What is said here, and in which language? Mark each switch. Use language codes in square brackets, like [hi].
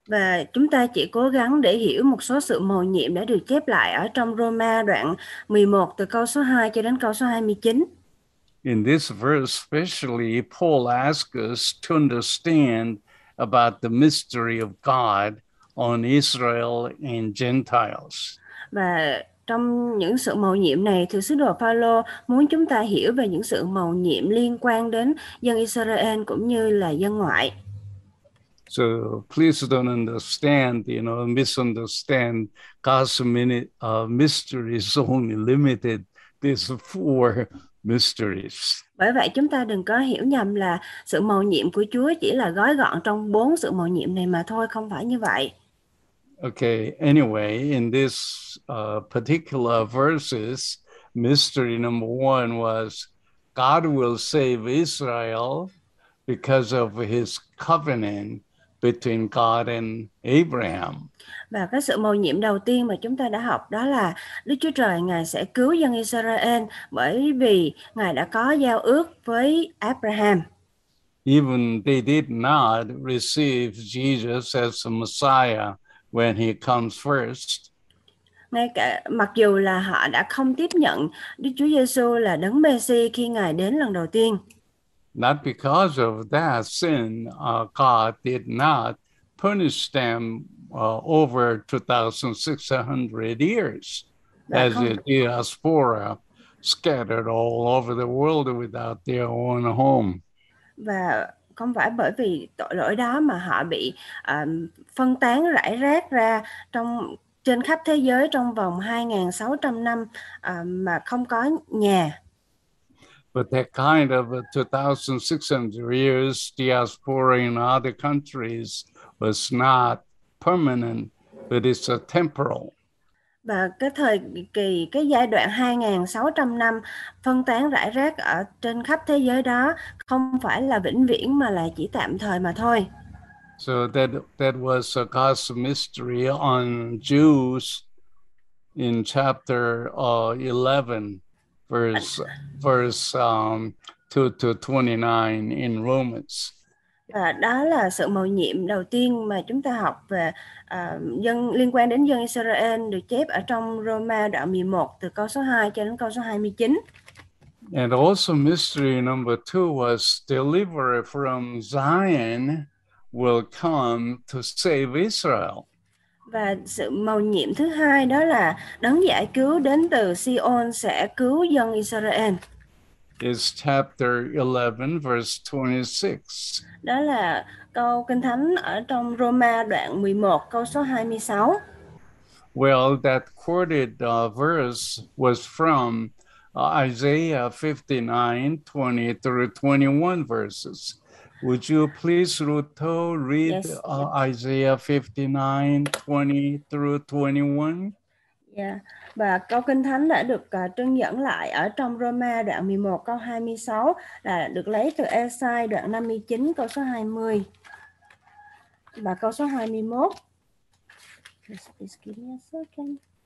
[vi] Và chúng ta chỉ cố gắng để hiểu một số sự mầu nhiệm đã được chép lại ở trong Roma đoạn 11 từ câu số 2 cho đến câu số 29. [en] In this verse especially, Paul asks us to understand about the mystery of God on Israel and Gentiles. [vi] Và trong những sự mầu nhiệm này, thì sứ đồ Phaolô muốn chúng ta hiểu về những sự mầu nhiệm liên quan đến dân Israel cũng như là dân ngoại. [en] So please don't understand, you know, misunderstand God's mysteries only limited these four mysteries. [vi] Bởi vậy chúng ta đừng có hiểu nhầm là sự mầu nhiệm của Chúa chỉ là gói gọn trong bốn sự mầu nhiệm này mà thôi, không phải như vậy. [en] Okay, anyway, in this particular verses, mystery number one was God will save Israel because of his covenant between God and Abraham. [vi] Và cái sự mầu nhiệm đầu tiên mà chúng ta đã học đó là Đức Chúa Trời Ngài sẽ cứu dân Israel bởi vì Ngài đã có giao ước với Abraham. [en] Even they did not receive Jesus as the Messiah when he comes first. [vi] Ngay cả mặc dù là họ đã không tiếp nhận Đức Chúa Giê-xu là đấng Mê-si khi Ngài đến lần đầu tiên. [en] Not because of that sin, God did not punish them over 2,600 years, as the diaspora scattered all over the world without their own home. [vi] Và không phải bởi vì tội lỗi đó mà họ bị phân tán rải rác ra trong trên khắp thế giới trong vòng 2,600 năm mà không có nhà. [en] But that kind of 2,600 years diaspora in other countries was not permanent, but it's a temporal. [vi] Và cái thời kỳ, cái giai đoạn 2,600 năm phân tán rải rác ở trên khắp thế giới đó không phải là vĩnh viễn mà là chỉ tạm thời mà thôi. [en] So that was a cosmic mystery on Jews in chapter 11. Verse to 29 in Romans. [vi] Và đó là sự mầu nhiệm đầu tiên mà chúng ta học về dân liên quan đến dân Israel được chép ở trong Roma đoạn 11 từ câu số 2 cho đến câu số 29. [en] And also mystery number two was deliverer from Zion will come to save Israel. [vi] Và sự mầu nhiệm thứ hai đó là đấng giải cứu đến từ Sion sẽ cứu dân Israel. [en] Is chapter 11 verse 26. [vi] Đó là câu Kinh Thánh ở trong Roma đoạn 11 câu số 26. [en] Well, that quoted verse was from Isaiah 59:20-21 verses. Would you please, Ruto, read Isaiah 59:20-21? Yeah. [vi] Và câu Kinh Thánh đã được trưng dẫn lại ở trong Roma đoạn 11 câu 26 là được lấy từ Esai đoạn 59 câu số 20 và câu số 21. [en] Just give me a second.